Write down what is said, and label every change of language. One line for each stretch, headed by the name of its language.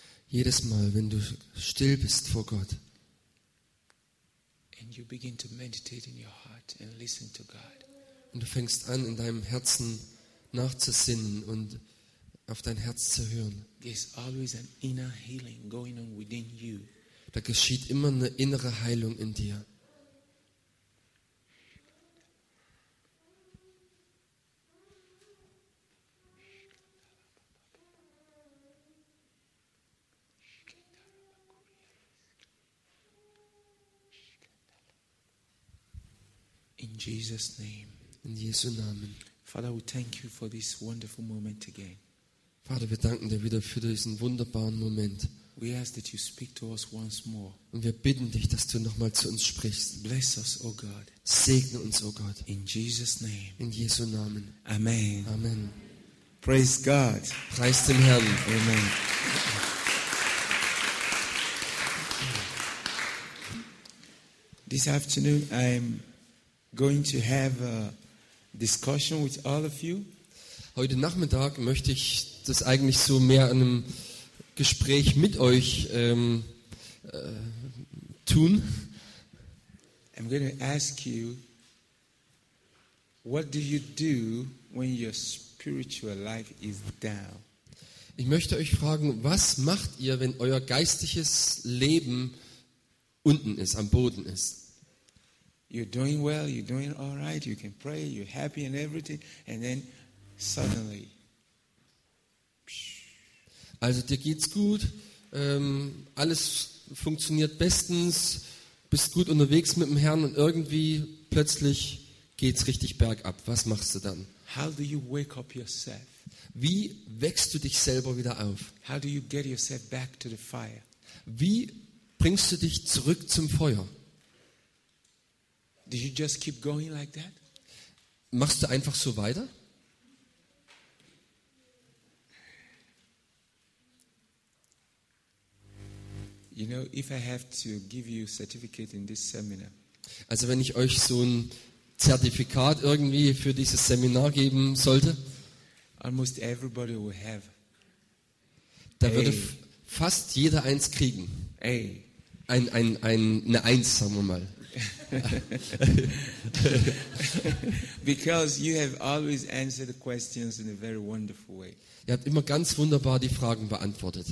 German: Jedes Mal, wenn du still bist vor Gott.
English: And you begin to meditate in your heart and listen to God.
German: Und du fängst an, in deinem Herzen nachzusinnen und auf dein Herz zu hören.
English: There's always an inner healing going on within you.
German: Da geschieht immer eine innere Heilung in dir.
English: In Jesus' name.
German: In Jesu Namen.
English: Father, we thank you for this wonderful moment again.
German: Vater, wir danken dir wieder für diesen wunderbaren Moment.
English: We ask that you speak to us once more.
German: Und wir bitten dich, dass du nochmal zu uns sprichst.
English: Bless us, O God.
German: Segne uns, O Gott.
English: In Jesus' name.
German: In Jesu Namen.
English: Amen.
German: Amen.
English: Praise God.
German: Preist dem Herrn. Amen.
English: This afternoon, I'm going to have a discussion with all of you.
German: Heute Nachmittag möchte ich das eigentlich so mehr an einem Gespräch mit euch tun.
English: I'm going to ask you, what do you do when your spiritual life is down?
German: Ich möchte euch fragen, was macht ihr, wenn euer geistliches Leben unten ist, am Boden ist?
English: You're doing well, you're doing all right, you can pray, you're happy and everything, and then suddenly.
German: Also dir geht's gut, alles funktioniert bestens, bist gut unterwegs mit dem Herrn und irgendwie plötzlich geht's richtig bergab. Was machst du dann?
English: How do you wake up yourself?
German: Wie wächst du dich selber wieder auf?
English: How do you get yourself back to the fire?
German: Wie bringst du dich zurück zum Feuer?
English: Do you just keep going like that?
German: Machst du einfach so weiter?
English: You know, if I have to give you a certificate in this seminar.
German: Also wenn ich euch so ein Zertifikat irgendwie für dieses Seminar geben sollte,
English: almost everybody will have.
German: Da würde fast jeder eins kriegen. Ey. Eine Eins, sagen wir mal.
English: Because you have always answered the questions in a very wonderful way.
German: Ihr habt immer ganz wunderbar die Fragen beantwortet.